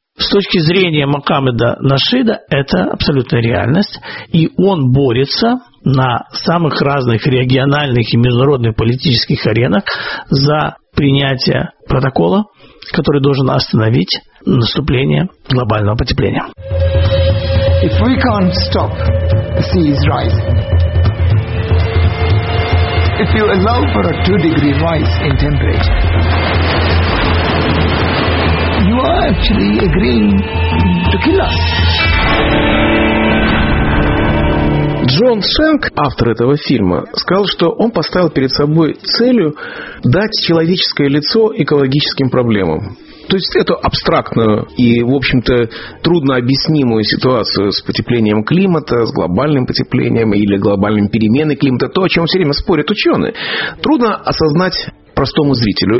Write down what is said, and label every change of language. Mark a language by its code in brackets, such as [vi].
[ru] С точки зрения Мухаммеда Нашида это абсолютная реальность, и он борется на самых разных региональных и международных политических аренах за принятие протокола, который должен остановить наступление глобального потепления. [en] If we can't stop the seas rising, if you allow for a 2-degree rise in temperature, you are actually agreeing to kill us. [ru] Джон Шенк, автор этого фильма, сказал, что он поставил перед собой целью дать человеческое лицо экологическим проблемам. То есть эту абстрактную и, в общем-то, труднообъяснимую ситуацию с потеплением климата, с глобальным потеплением или глобальными переменами климата, то, о чем все время спорят ученые, трудно осознать простому зрителю.